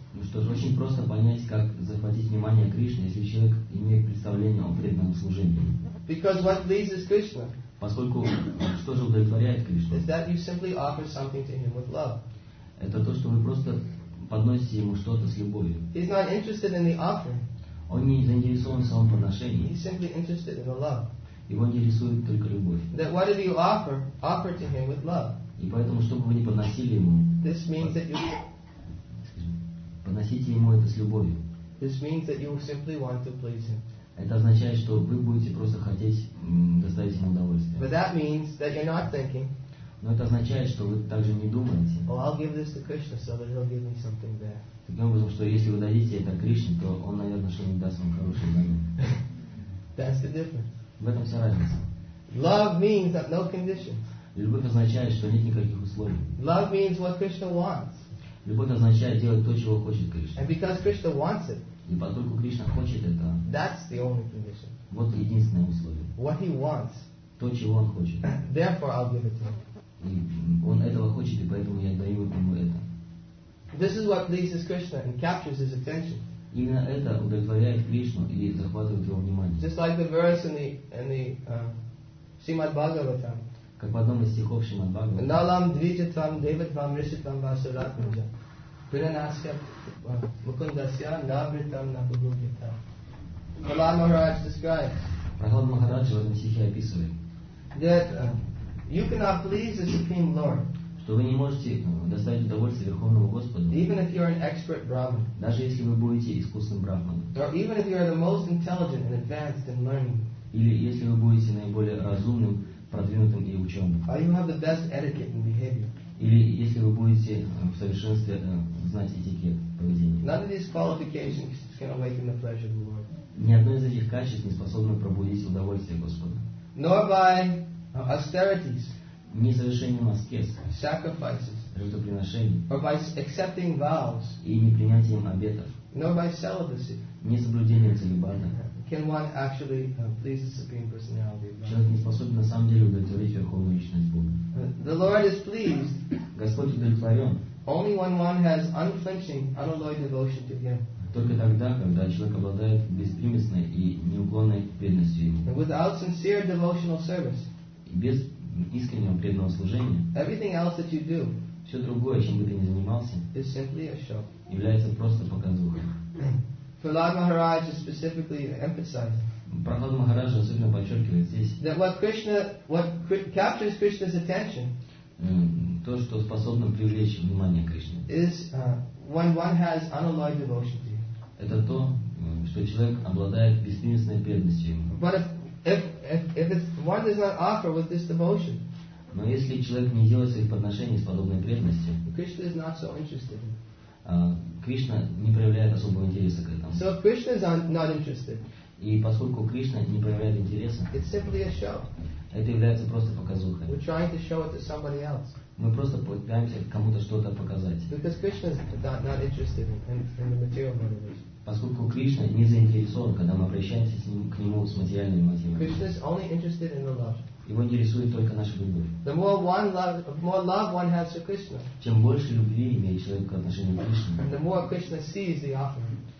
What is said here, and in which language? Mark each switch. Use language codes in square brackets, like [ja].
[ru] Ну что ж, очень просто понять, как захватить внимание Кришны, если человек имеет представление о преданном служении. [en] Because what pleases Krishna? [ru] Поскольку что же удовлетворяет Кришну? [en] Is that you simply offer something to him with love? [ru] Это то, что вы просто подносите ему что-то с любовью. [en] He's not interested in the offering. [ru] Он не заинтересован в самом подношении. [en] He's simply interested in the love. [ru] Его интересует только любовь. [en] That whatever you offer, offer to him with love. [ru] И поэтому, чтобы вы не подносили ему, [en] this means that you [ru] подносите ему это с любовью. [en] This means that you simply want to please him. [ru] Это означает, что вы будете просто хотеть доставить ему удовольствие. [en] But that means that you're not thinking. [ru] Но это означает, что вы также не думаете. [en] Well, I'll give this to Krishna so that he'll give me something there. [ru] Таким образом, что если вы дадите это Кришне, то он, наверное, что-нибудь даст вам хорошее взамен. [en] That's the difference. [ru] В этом вся разница. [en] Love means that no conditions. [ru] Любовь означает, что нет никаких условий. [en] Love means what Krishna wants. [ru] Любовь означает делать то, чего хочет Кришна. [en] And because Krishna wants it. [ru] И поскольку Кришна хочет это. [en] That's the only condition. [ru] Вот единственное условие. [en] What he wants. [ru] То, чего он хочет. [en] Therefore, I'll give it to him. [ru] И он этого хочет, и поэтому я даю ему это. [en] This is what pleases Krishna and captures his attention. [ru] Именно это удовлетворяет Кришну и захватывает его внимание. [en] Just like the verse in the Srimad Bhagavatam. [ru] Как в одном из стихов Srimad Bhagavatam. [sa] Налам дриджатам деватам ришитам васаратмаджа. Пиранасья мукундасья набритам напугубитам. [en] Прахлад Махарадж describes. [ru] Прахлад Махарадж в этом стихе описывает. [en] That you cannot please the Supreme Lord. [ru] То вы не можете доставить удовольствие Верховному Господу. [en] Even if you're an expert Brahman, [ru] даже если вы будете искусным брахманом. [en] Or even if you're the most intelligent and advanced in learning. [ru] Или если вы будете наиболее разумным, продвинутым и ученым. [en] Or you have the best etiquette and behavior. [ru] Или если вы будете в совершенстве знать этикет поведения. [en] None of these qualifications can awaken the pleasure of the Lord. [ru] Ни одно из этих качеств не способно пробудить удовольствие Господа. [en] Nor by austerities. [ru] Не совершением аскез, [en] sacrifices, [ru] жертвоприношений, [en] or by accepting vows, [ru] и не принятием обетов, [en] nor by celibacy, [ru] не соблюдением целибата, [en] can one actually please the Supreme Personality of God? [ru] Человек не способен на самом деле удовлетворить Верховную Личность Бога. [en] The Lord is pleased. [ru] Господь удовлетворен. [en] Only when one has unflinching, unalloyed devotion to Him. [ru] Только тогда, когда человек обладает беспримесной и неуклонной преданностью Ему. [en] And without sincere devotional service. [ru] Без искреннего преданного служения. [en] Everything else that you do, [ru] все другое, чем бы ты ни занимался, [en] is simply a show. [ru] Является просто показухой. [en] Prahlad Maharaj is specifically emphasized. [ru] Prahlad Maharaj особенно подчеркивает здесь. [en] That what captures Krishna's attention, [ru] то, что способно привлечь внимание Кришны, [en] is when one has unalloyed devotion to you. [ru] Это то, что человек обладает беспримесной преданностью ему. [en] If one does not offer with this devotion, [ru] но если человек не делает своих подношений с подобной преданностью, [en] Krishna is not so interested. [ru] Кришна не проявляет особого интереса к этому. [en] So if Krishna is not interested, [ru] и поскольку Кришна не проявляет интереса, [en] it's simply a show. [ru] Это является просто показухой. [en] We're trying to show it to somebody else. [ru] Мы просто пытаемся кому-то что-то показать. [en] Because Krishna is not interested in the material motivation. [ru] Поскольку Кришна не заинтересован, когда мы обращаемся к нему с материальными мотивами. [en] Krishna is only interested in the love. [ru] Его интересует только наша любовь. [en] The more love one has to Krishna. [ru] Чем больше любви имеет человек к отношению к Кришне. [en] And the more Krishna sees the offering.